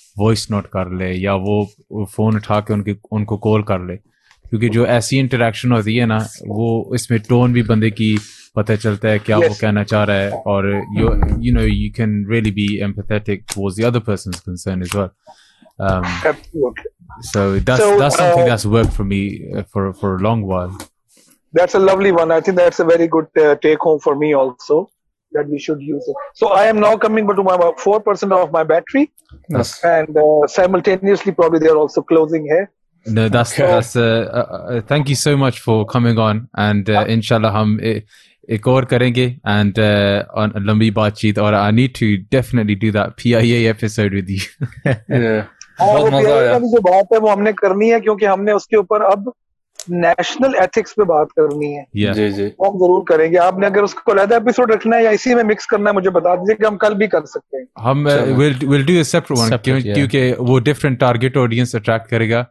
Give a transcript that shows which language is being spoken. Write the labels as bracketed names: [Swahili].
[Urdu] Voice note کر لے یا وہ فون اٹھا کے ان کو کال کر لے, کیونکہ جو ایسی انٹریکشن ہوتی ہے نا وہ اس میں ٹون بھی بندے کی پتہ چلتا ہے کیا وہ کہنا چاہ رہا ہے, اور [English] You know you can really be empathetic towards the other person's concern as well. So that's something that's worked for me for a long while. That's a lovely one. I think that's a very good take home for me also, that we should use it. So I am now coming back to my 4% of my battery. Yes. And simultaneously probably they are also closing here. No, that's okay. That's thank you so much for coming on, and [Urdu] inshallah hum ek aur karenge, [English] and on [Urdu] lambi baat cheet, [English] or I need to definitely do that PIA episode with you. Yeah. [Urdu] جو بات ہے وہ ہم نے کرنی ہے, کیونکہ ہم نے اس کے اوپر اب نیشنل ایتھکس پہ بات کرنی ہے. جی جی, ہم ضرور کریں گے. آپ نے اگر اس کو علیحدہ ایپیسوڈ رکھنا ہے یا اسی میں مکس کرنا ہے مجھے بتا دیجیے, کہ ہم کل بھی کر سکتے ہیں. [English] ہم will do a separate one, [Urdu] کیونکہ وہ ڈفرینٹ ٹارگیٹ آڈینس اٹریکٹ کرے گا,